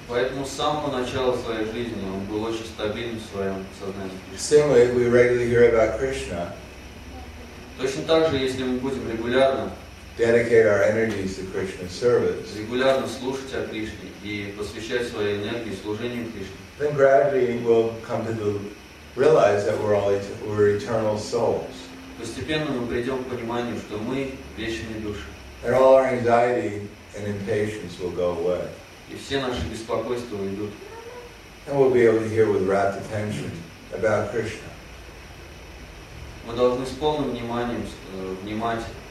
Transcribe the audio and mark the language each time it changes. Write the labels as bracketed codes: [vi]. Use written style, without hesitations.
[ru] Поэтому с самого начала своей жизни он был очень стабильным в своем сознании. [en] Similarly, we regularly hear about Krishna. [ru] Точно так же, если мы будем регулярно [en] dedicate our energies to Krishna's service. [ru] Регулярно слушать о Кришне и посвящать свою энергию служению Кришне. [en] Then gradually we'll come to realize that we're eternal souls. [ru] Постепенно мы придем к пониманию, что мы вечные души. [en] And all our anxiety and impatience will go away. [ru] И все наши беспокойства уйдут. [en] And we'll be able to hear with rapt attention about Krishna. [ru] Мы должны с полным вниманием внимать.